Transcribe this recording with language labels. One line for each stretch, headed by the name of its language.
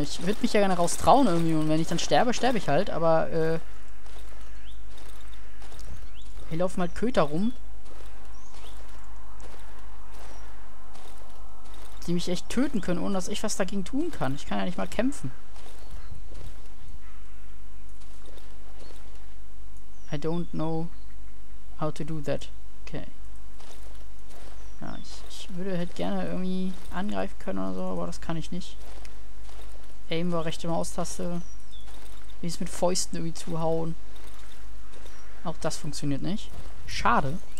German: Ich würde mich ja gerne raustrauen irgendwie. Und wenn ich dann sterbe, sterbe ich halt. Aber, hier laufen halt Köter rum, die mich echt töten können, ohne dass ich was dagegen tun kann. Ich kann ja nicht mal kämpfen.
English: I don't know how to do that. Okay.
German: Ja, ich würde halt gerne irgendwie angreifen können oder so, aber das kann ich nicht. Aim war rechte Maustaste. Wie es mit Fäusten irgendwie zuhauen. Auch das funktioniert nicht. Schade.